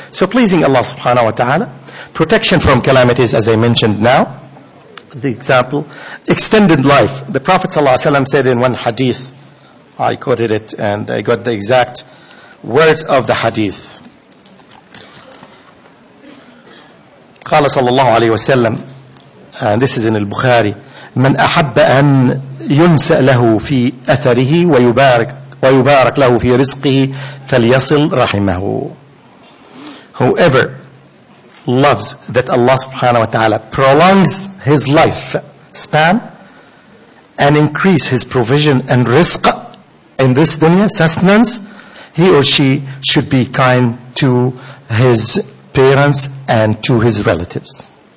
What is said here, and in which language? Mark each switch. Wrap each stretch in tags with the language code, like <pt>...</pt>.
<en>So pleasing Allah subhanahu wa ta'ala, protection from calamities, as I mentioned now, the example, extended life. The Prophet sallallahu alaihi wasallam said in one hadith, I quoted it and I got the exact words of the hadith.</en> <ar>قال صلى الله عليه وسلم,</ar> <en>and this is in al-Bukhari,</en> <ar>من أحب أن ينسأ له في أثره ويبارك له في رزقه فليصل رحمه.</ar> <en>Whoever loves that Allah subhanahu wa ta'ala prolongs his life span and increase his provision and rizq in this dunya, sustenance, he or she should be kind to his parents and to his relatives.</en>